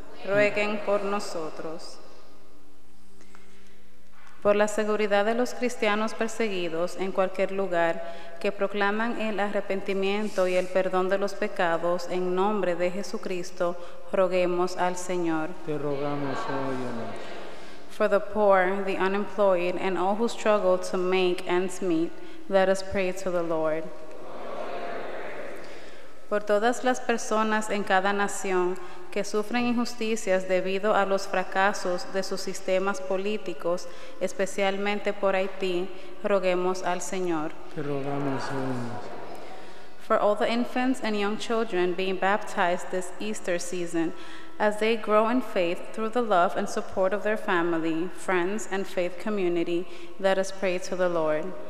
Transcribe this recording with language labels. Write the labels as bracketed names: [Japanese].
[Spanish] rueguen por nosotros. Por la seguridad de los cristianos perseguidos en cualquier lugar, que proclaman el arrepentimiento y el perdón de los pecados en nombre de Jesucristo, roguemos al Señor. Te rogamos, óyenos. [English] For the poor, the unemployed, and all who struggle to make ends meet, let us pray to the Lord. [Spanish] Por todas las personas en cada nación que sufren injusticias debido a los fracasos de sus sistemas políticos, especialmente por Haití, roguemos al Señor. Te rogamos, Señor. [English] For all the infants and young children being baptized this Easter season, as they grow in faith through the love and support of their family, friends, and faith community, let us pray to the Lord.